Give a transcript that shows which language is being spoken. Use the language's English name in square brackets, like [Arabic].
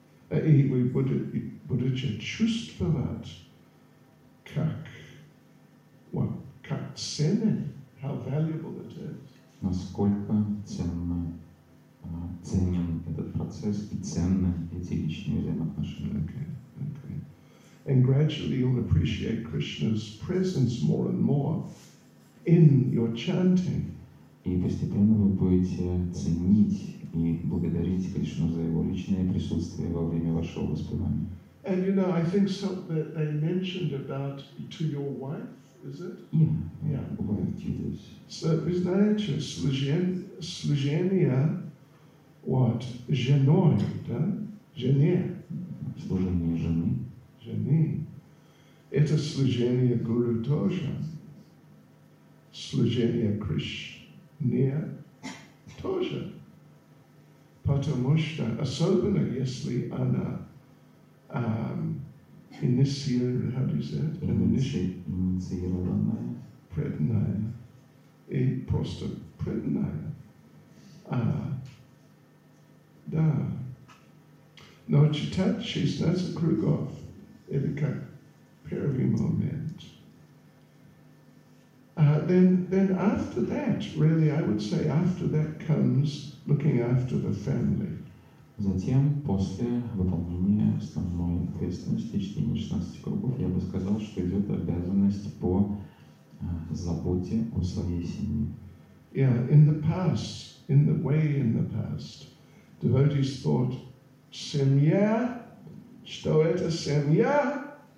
[Russian] И вы будете чувствовать, как ценно, [English] how valuable it is. [Russian] Насколько ценен этот процесс и ценны эти личные взаимоотношения. [English] Okay. And gradually you'll appreciate Krishna's presence more and more in your chanting. [Russian] И постепенно вы будете ценить и благодарить Кришну за его личное присутствие во время вашего воспевания. [English] And you know, I think something that they mentioned about to your wife. Is it? Yeah. Yeah. Why did you do this? So, [Russian] знаете, служение, [English] what? [Russian] Женой, да? Жене. Служение жены. Жене. Это служение Гуру тоже. Служение Кришне тоже. Потому что, особенно если она инициированная, преданная и просто преданная. Да. Но читать 16 кругов, это как первый момент. [English] Then after that, really, I would say after that comes looking after the family. [Russian] Затем, после выполнения основной ответственности, чтения 16 кругов, я бы сказал, что идет обязанность по заботе о своей семье. [English] Yeah, in the past, in the way in the past, devotees thought, [Russian] семья, что это семья?